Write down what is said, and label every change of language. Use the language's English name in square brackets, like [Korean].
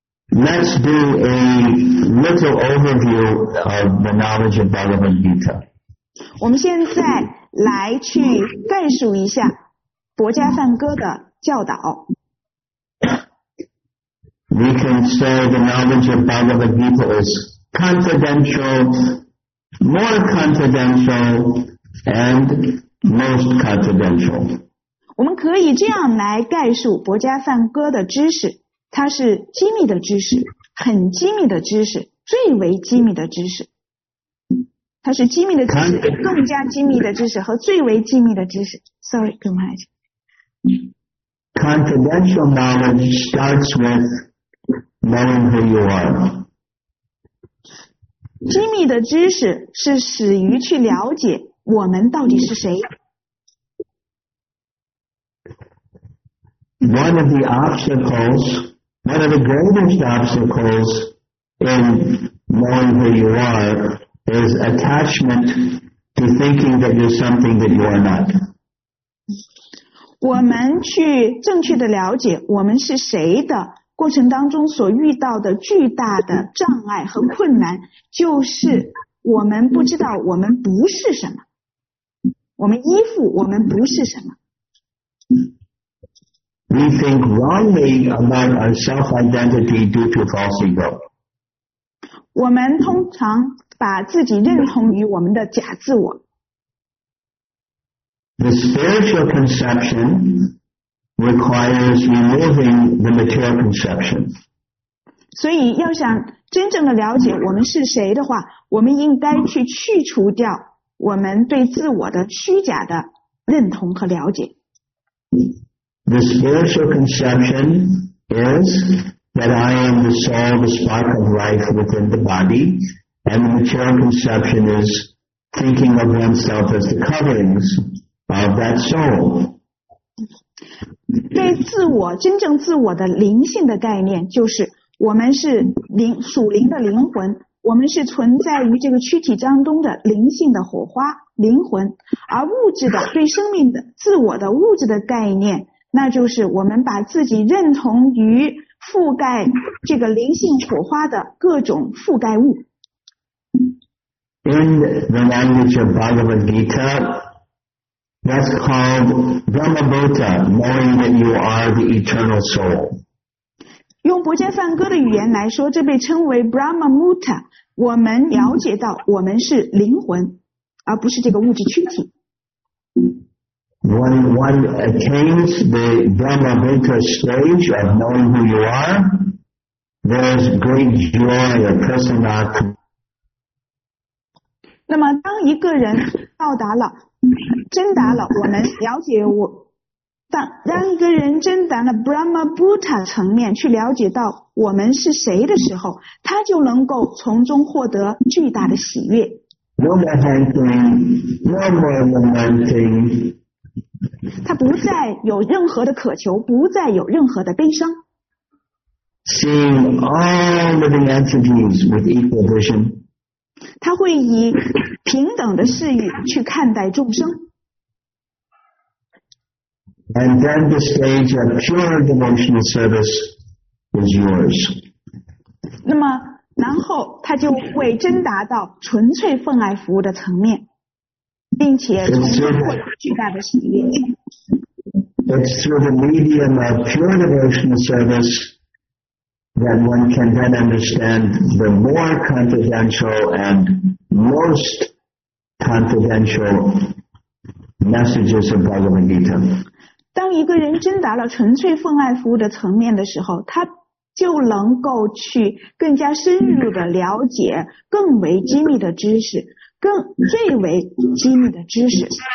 [English] Let's do a little overview of the knowledge of Bhagavad Gita. [Chinese] 我们现在来去概述一下博伽梵歌的教导。 [English] We can say the knowledge of Bhagavad Gita is confidential, more confidential, and most confidential. [Chinese] 我们可以这样来概述博伽梵歌的知识，它是机密的知识，很机密的知识，最为机密的知识。它是机密的知识，更加机密的知识和最为机密的知识。 [English] Sorry, good night. Confidential knowledge starts with knowing who you are. [Chinese] 机密的知识是始于去了解我们到底是谁。 [English] One of the obstacles, one of the greatest obstacles in knowing who you are is attachment to thinking that you're something that you are not. [Chinese] 我们去正确的了解我们是谁的过程当中所遇到的巨大的障碍和困难，就是我们不知道我们不是什么，我们依附我们不是什么。 [English] We think wrongly about our self-identity due to false ego. [Chinese] 我们通常把自己认同于我们的假自我。 [English] The spiritual conception requires removing the material conception. [Chinese] 所以要想真正的了解我们是谁的话，我们应该去去除掉我们对自我的虚假的认同和了解。 [English] The spiritual conception is that I am the soul, the spark of life within the body, and the material conception is thinking of oneself as the coverings of that soul. [Chinese] 对自我真正自我的灵性的概念就是我们是灵属灵的灵魂，我们是存在于这个躯体当中的灵性的火花灵魂，而物质的对生命的自我的物质的概念，那就是我们把自己认同于覆盖这个灵性火花的各种覆盖物。 [English] In the language of Bhagavad Gita,That's called Brahma-bhuta, knowing that you are the eternal soul. [Chinese] 用不见梵歌的语言来说，这被称为 Brahma-bhuta, 我们了解到我们是灵魂，而不是这个物质躯体。 [English] When one attains the Brahma-bhuta stage of knowing who you are, there's great joy of prasanna. [Chinese] 那么当一个人到达了真达了我们了解我当一个人真达了 Brahma Buddha 层面去了解到我们是谁的时候，他就能够从中获得巨大的喜悦。 [English] No more hunting, no more lamenting. [Chinese] 他不再有任何的渴求，不再有任何的悲伤。 [English] Seeing all living entities with equal vision. [Chinese] 他会以平等的视野去看待众生。 [English] And then the stage of pure devotional service is yours. [Chinese] 那么然后他就会真达到纯粹奉爱服务的层面，并且从中获得巨大的喜悦。 [English] It's through the medium of pure devotional serviceThat one can then understand the more confidential and most confidential messages of Bhagavad Gita. [Chinese] 当一个人真达了纯粹奉爱服务的层面的时候，他就能够去更加深入的了解更为机密的知识，更最为机密的知识。